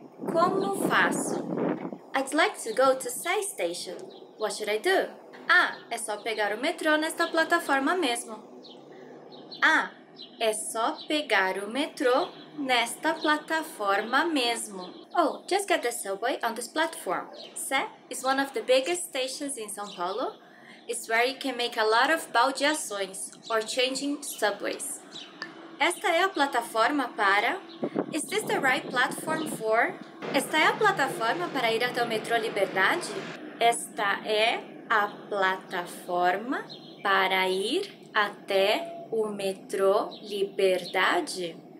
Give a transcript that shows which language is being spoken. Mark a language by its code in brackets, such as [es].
[pt] Como faço? [en] I'd like to go to Sé Station. What should I do? [pt] Ah, é só pegar o metrô nesta plataforma mesmo. Ah, é só pegar o metrô nesta plataforma mesmo. [en] Oh, just get the subway on this platform. Sé is one of the biggest stations in São Paulo. It's where you can make a lot of baldeações, or changing subways. [pt] Esta é a plataforma para... [en] Is this the right platform for... [pt] Esta é a plataforma para ir até o metrô Liberdade? Esta é a plataforma para ir até o metrô Liberdade?